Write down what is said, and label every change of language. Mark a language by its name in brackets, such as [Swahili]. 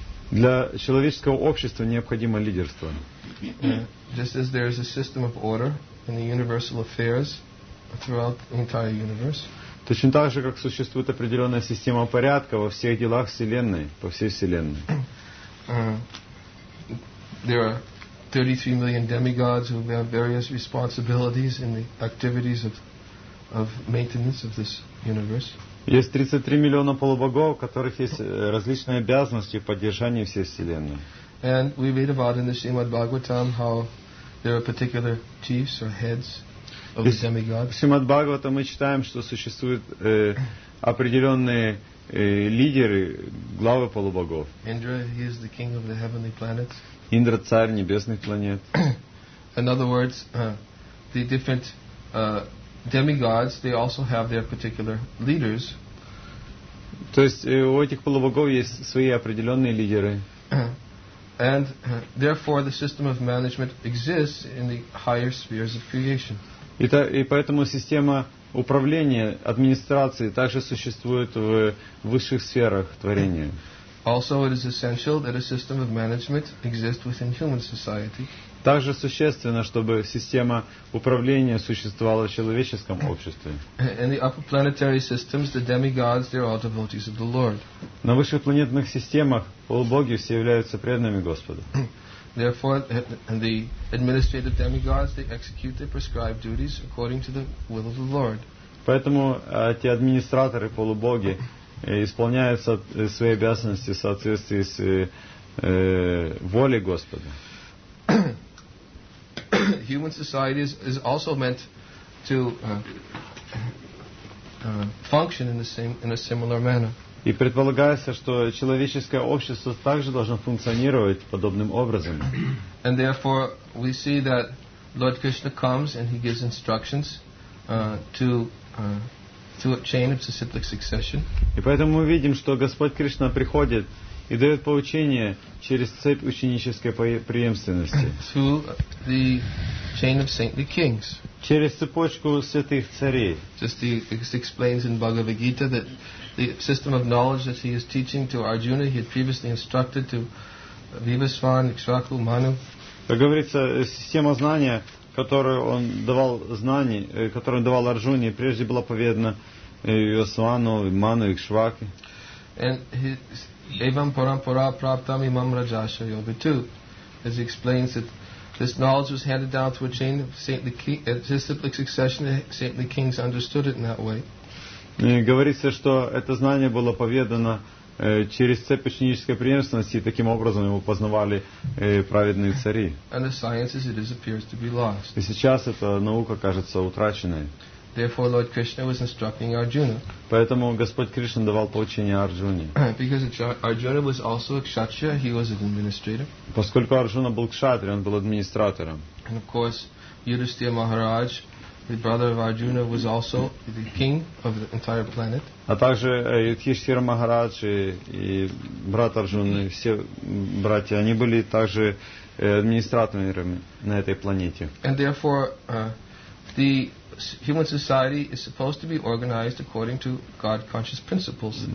[Russian] Для человеческого общества необходимо лидерство. [English] Just as there is a system of order in the universal affairs throughout the entire universe. [Russian] Точно так же, как существует определенная система порядка во всех делах Вселенной, по всей Вселенной. [English] There are 33 million demigods who have various responsibilities in the activities of maintenance of this universe. [Russian] Есть 33 миллиона полубогов, у которых есть различные обязанности в поддержании всей Вселенной. [English] And we read about in the Srimad Bhagavatam how there are particular chiefs or heads of the demigods. [Russian] В Шримад Бхагавата мы читаем, что существуют определенные лидеры, главы полубогов. [English] Indra, he is the king of the heavenly planets. [Russian] Индра, царь небесных планет. [English] In other words, the different demigods, they also have their particular leaders. [Russian] То есть у этих полубогов есть свои определенные лидеры. [English] And therefore, the system of management exists in the higher spheres of creation. [Russian] И поэтому система управления администрации также существует в высших сферах творения. [English] Also, it is essential that a system of management exists within human society. [Russian] Также существенно, чтобы система управления существовала в человеческом обществе. [English] In the upper planetary systems, the demigods, they are all devotees of the Lord. [Russian] На высших планетных системах полубоги все являются преданными Господу. [English] Therefore, the administrative demigods, they execute their prescribed duties according to the will of the Lord. [Russian] Поэтому те администраторы полубоги исполняют свои обязанности в соответствии с волей Господа. [English] Human society is also meant to function in a similar manner. [Russian] И предполагается, что человеческое общество также должно функционировать подобным образом. [English] And therefore, we see that Lord Krishna comes and he gives instructions to a chain of succinct succession. [Russian] И поэтому мы видим, что Господь Кришна приходит и дает поучение через цепь ученической преемственности. [English] Through the chain of saintly kings. [Russian] Через цепочку святых царей. [English] Just it explains in Bhagavad Gita that the system of knowledge that he is teaching to Arjuna, he had previously instructed to [Russian] Вивасван, Икшваку, Ману. Как говорится, система знания, которую он давал знаний, которую он давал Арджуне, прежде была поведана Вивасвану, Ману, Икшваке. [English] And his [Sanskrit] Evam Parampara Praptam Imam Rajasha Yoga [English] too, as he explains that this knowledge was handed down through a chain of saintly kings, a disciplic succession of saintly kings understood it in that way. [Russian] Говорится, что это знание было поведано через цепь ученической преемственности, и таким образом его познавали праведные цари. [English] And the science, as it is, appears to be lost. [Russian] И сейчас эта наука кажется утраченной. [English] Therefore, Lord Krishna was instructing Arjuna. [Russian] Поэтому Господь Кришна давал поучение Арджуне. [English] Because Arjuna was also a kshatriya, he was an administrator. [Russian] Поскольку Арджуна был кшатрия, он был администратором. [English] And of course, Yudhisthira Maharaj, the brother of Arjuna, was also the king of the entire planet. [Russian] А также Юдхиштхира Махарадж и брат Арджуны, все братья, они были также администраторами на этой планете. [English] And therefore, the human society is supposed to be organized according to God-conscious principles.